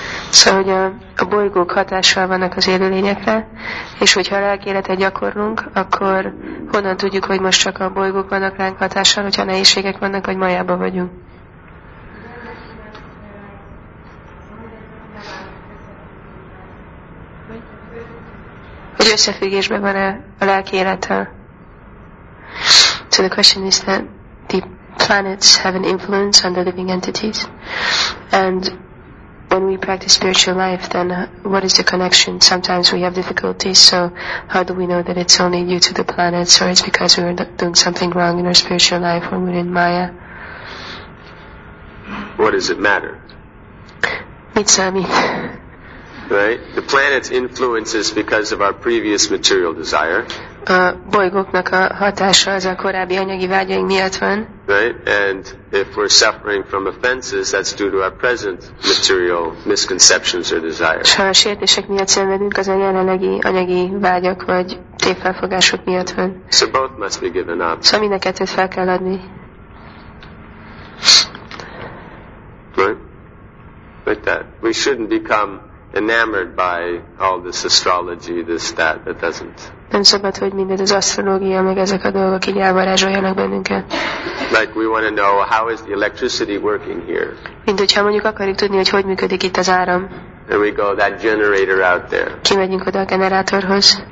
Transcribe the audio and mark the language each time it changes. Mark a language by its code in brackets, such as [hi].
[hu] Szóval, hogy a bolygók hatással vannak az élőlényekre, és hogyha a lelki életet gyakorlunk, akkor honnan tudjuk, hogy most csak a bolygók vannak ránk hatással, hogyha nehézségek vannak, vagy majában vagyunk. Hogy összefüggésben van-e a lelki élettel? [en] So the question is that the planets have an influence on the living entities, and when we practice spiritual life, then what is the connection? Sometimes we have difficulties, so how do we know that it's only due to the planets, or it's because we're doing something wrong in our spiritual life when we're in Maya? What does it matter? Mitsami. Right? The planet's influence is because of our previous material desire. [hu] A bolygóknak a hatása az a korábbi anyagi vágyaink miatt van. [en] Right? And if we're suffering from offenses, that's due to our present material misconceptions or desires. [hu] Ha a sértések miatt szenvedünk, az a jelenlegi anyagi vágyak vagy tévfelfogások miatt van. [en] So both must be given up. [hu] Szóval mind a kettőt fel kell adni. [en] Right? Like that. We shouldn't become enamored by all this astrology, this, that, that doesn't. [hu] Nem szabad, hogy mindez az asztrológia, meg ezek a dolgok így elvarázsoljanak bennünket. [en] Like we want to know how is the electricity working here. [hu] Mint hogyha mondjuk akarjuk tudni, hogy hogy működik itt az áram. [en] And we go that generator out there. [hu] Kimegyünk oda a generátorhoz.